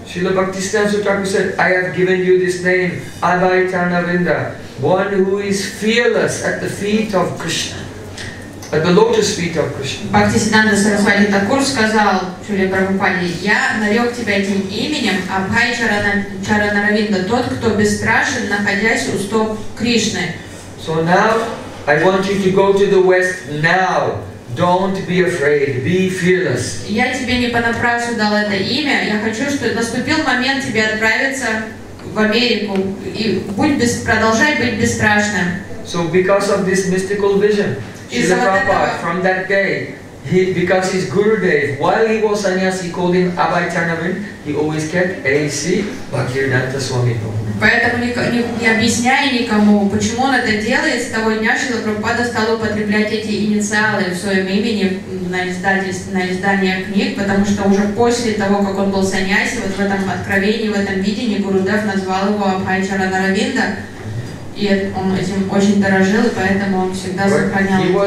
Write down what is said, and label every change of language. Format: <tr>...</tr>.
<en>Шрила Бхактисиддханта Тхакур said, I have given you this name, Абхай Чарнаравинда, one who is fearless at the feet of Krishna, at the lotus feet of Krishna.</en> <ru>Бхактисиддханта Сарасвати Тхакур сказал Шриле Прабхупаде, я нарек тебя этим именем Абхай Чарнаравинда, тот, кто бесстрашен, находясь у стоп Кришны.</ru> <en>So now I want you to go to the west now. Don't be afraid. Be fearless.</en> <ru>Я тебе не понапрасну дал это имя. Я хочу, чтобы наступил момент тебе отправиться в Америку и будь без, продолжай быть бесстрашным.</ru> <en>So because of this mystical vision, Srila Prabhupada, from that day, he, because his Gurudev, while he was sannyasi, called him Abhay Tarnavin, he always kept A.C. Bhaktivedanta Swami.</en> <ru>Поэтому не объясняя никому, почему он это делает, с того дня Шрила Прабхупада стал употреблять эти инициалы в своем имени на издание книг, потому что уже после того, как он был саньяси, вот в этом откровении, в этом видении, Гурудев назвал его Абхай Чаранаравинда, и он этим очень дорожил, и поэтому он всегда сохранял.</ru>